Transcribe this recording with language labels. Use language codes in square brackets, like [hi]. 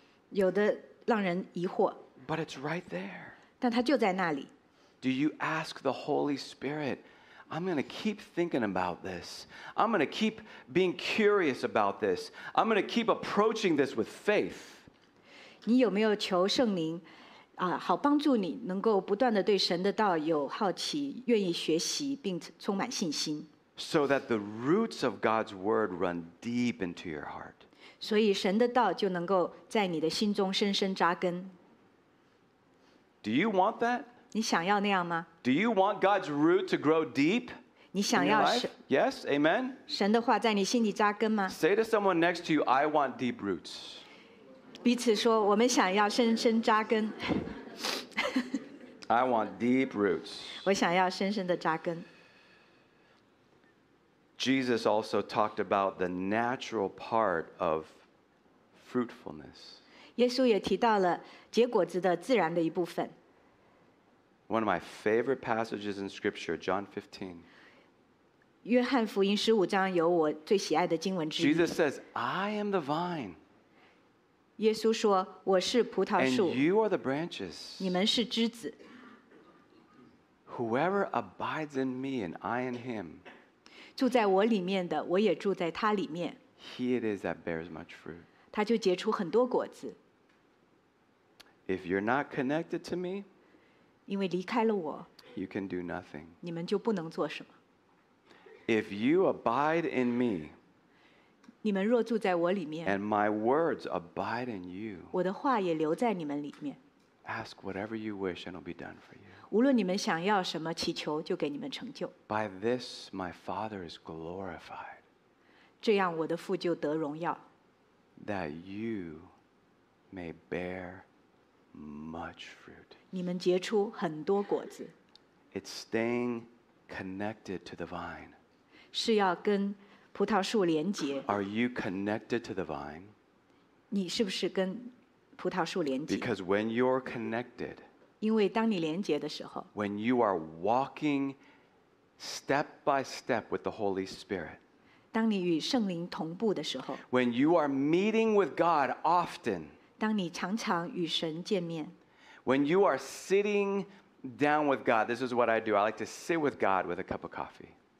[zh] 有的让人疑惑。 [en] But it's right there. [zh] 但它就在那里。 [en] Do you ask the Holy Spirit, I'm going to keep thinking about this. I'm going to keep being curious about this. I'm going to keep approaching this with faith. [zh] 你有没有求圣灵好帮助你能够不断地对神的道有好奇，愿意学习，并充满信心。 [en] So that the roots of God's word run deep into your heart. [zh] 所以神的道就能够在你的心中深深扎根。 [en] Do you want that? [zh] 你想要那样吗 [en] ？Do you want God's root to grow deep? [zh] 你想要 [en] Yes, Amen. [zh] 神的话在你心里扎根吗 [en] ？Say to someone next to you, "I want deep roots." [zh] 彼此说我们想要深深扎根。 [en] I want deep roots. [zh] 我想要深深的扎根。 [en] Jesus also talked about the natural part of fruitfulness. [zh] 耶稣也提到了结果子的自然的一部分。 [en] One of my favorite passages in Scripture, John 15. [zh] 约翰福音十五章有我最喜爱的经文之一。 [en] Jesus says, "I am the vine." [zh] 耶稣说，我是葡萄树。 [en] And you are the branches. [zh] 你们是枝子。 [en] Whoever abides in me and I in him. [zh] 住在我里面的，我也住在他里面。 [en] He it is that bears much fruit. [zh] 他就结出很多果子。 [en] If you're not connected to me. [zh] 因为离开了我, [en] you can do nothing. [zh] 你们就不能做什么。 [en] If you abide in me, [zh] 你们若住在我里面, [en] and my words abide in you, [zh] 我的话也留在你们里面, [en] ask whatever you wish and it'll be done for you. [zh] 无论你们想要什么祈求就给你们成就。 [en] By this my Father is glorified. [zh] 这样我的父就得荣耀。 [en] That you may bear much fruit. [zh] 你们结出很多果子。 [en] It's staying connected to the vine. [zh] 是要跟葡萄树连接。 [en] Are you connected to the vine? [zh] 你是不是跟葡萄树连接？ [en] Because when you're connected, [zh] 因为当你连接的时候， [en] when you are walking step by step with the Holy Spirit, [zh] 当你与圣灵同步的时候， [en] when you are meeting with God often, [zh] 当你常常与神见面。 [en] When you are sitting down with God, this is what I do. I like to sit with God with a cup of coffee.